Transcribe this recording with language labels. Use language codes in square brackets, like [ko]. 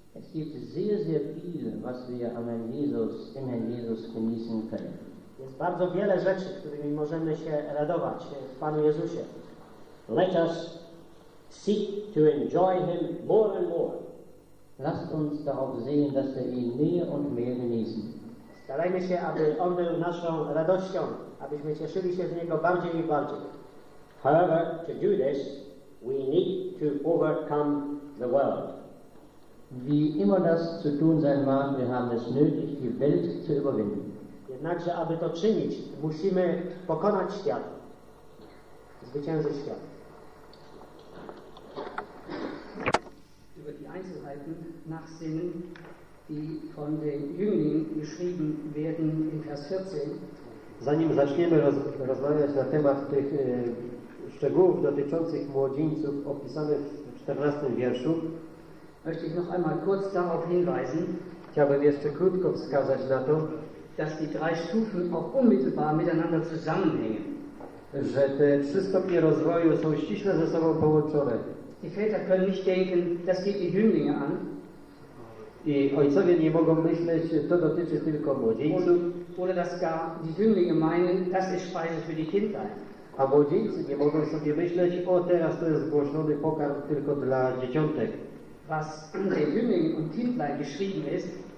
[de] Es gibt sehr, sehr viel, was wir an Herrn Jesus, in Herrn Jesus genießen können. [pl] Jest bardzo wiele rzeczy, którymi możemy się radować w Panu Jezusie. [en] Let us seek to enjoy Him more and more. [de] Lasst uns darauf sehen, dass wir ihn mehr und mehr genießen. [pl] Starajmy się, aby On był naszą radością, abyśmy cieszyli się z Niego bardziej i bardziej. [en] However, to do this, we need to overcome the world. [de] Wie immer das zu tun sein mag, wir haben es nötig, die Welt zu überwinden. [pl] Jednakże, aby to czynić, musimy pokonać świat, zwyciężyć świat. [de] Über die Einzelheiten nachsinnen, die von den Jünglingen geschrieben werden in Vers 14. [pl] Zanim zaczniemy rozmawiać na temat tych szczegółów dotyczących młodzieńców opisanych w 14 wierszu, [de] möchte ich noch einmal kurz darauf hinweisen, [pl] chciałbym jeszcze krótko wskazać na to, [de] dass die drei Stufen auch unmittelbar miteinander zusammenhängen. [pl] Że te trzy stopnie rozwoju są ściśle ze sobą połączone. [de] Die Väter können nicht denken, das geht die Jünglinge an. [pl] I ojcowie nie mogą myśleć, to dotyczy tylko młodzieńców. [de] Oder dass gar die Jünglinge meinen, das ist Speise für die Kinder. [pl] A młodzieńcy nie mogą sobie myśleć, o teraz to jest głoszony pokarm tylko dla dzieciątek. [de] Was in den Jünglingen und Kindlein geschrieben ist,